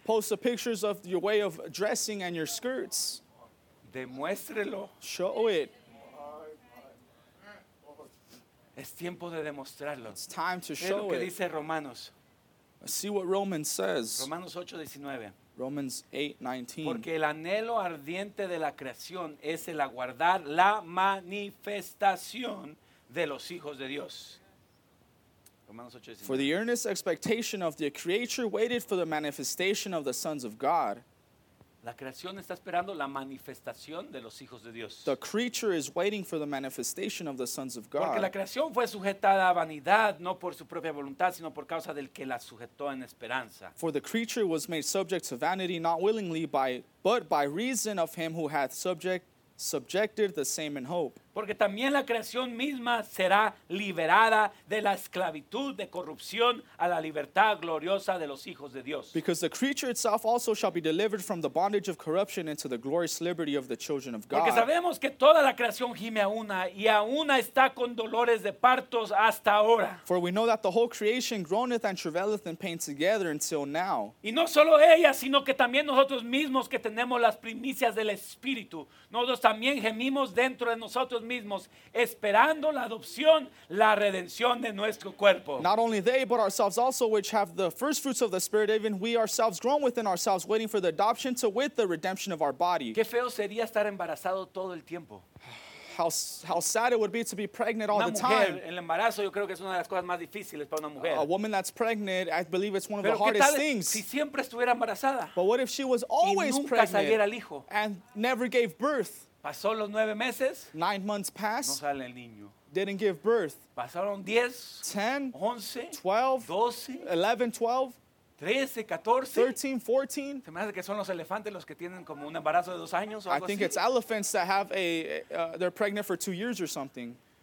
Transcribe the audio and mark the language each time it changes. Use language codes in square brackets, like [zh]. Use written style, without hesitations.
[en] Post the pictures of your way of dressing and your skirts. [es] Demuéstrelo. [en] Show it. [es] Es tiempo de demostrarlo. [en] It's time to show it. [es] Lo que dice Romanos. [en] See what Romans says. [es] Romanos 8:19. [en] Romans 8:19. [es] Porque el anhelo ardiente de la creación es el aguardar la manifestación de los hijos de Dios. Romanos 8:19. [en] For the earnest expectation of the creature waited for the manifestation of the sons of God. [es] La creación está esperando la manifestación de los hijos de Dios. [en] The creature is waiting for the manifestation of the sons of God. [es] Porque la creación fue sujetada a vanidad, no por su propia voluntad, sino por causa del que la sujetó en esperanza. [en] For the creature was made subject to vanity, not willingly, but by reason of him who hath subjected the same in hope. [es] Porque también la creación misma será liberada de la esclavitud de corrupción a la libertad gloriosa de los hijos de Dios. [en] Because the creature itself also shall be delivered from the bondage of corruption into the glorious liberty of the children of God. [es] Porque sabemos que toda la creación gime a una y a una está con dolores de partos hasta ahora. [en] For we know that the whole creation groaneth and travaileth in pain together until now. [es] Y no solo ella, sino que también nosotros mismos que tenemos las primicias del Espíritu. Nosotros también gemimos dentro de nosotros mismos esperando la adopción, la redención de nuestro cuerpo. [en] Not only they, but ourselves also, which have the first fruits of the Spirit, even we ourselves groan within ourselves, waiting for the adoption to with the redemption of our body. [es] Qué feo sería estar embarazado todo el tiempo. [en] How sad it would be to be pregnant all [es] una [en] the [es] mujer, [en] time. [es] El embarazo, yo creo que es una de las cosas más difíciles para una mujer. [en] A woman that's pregnant, I believe it's one of [es] Pero [en] the hardest [es] tal, [en] things. [es] Si siempre estuviera embarazada. [en] But what if she was always [es] y nunca [en] pregnant [es] saliera el hijo. [en] And never gave birth? [es] Pasó los 9 meses. [en] 9 months passed. [es] No sale el niño. [en] Didn't give birth. [es] Pasaron 10. [en] 10. [es] 11. 12. [en] 12. 11, 12. [es] 13, 14. [en] 13, 14. [es] Se me hace que son los elefantes los que tienen como un embarazo de 2 años o algo así. [en] I think it's elephants that have they're pregnant for 2 years or something.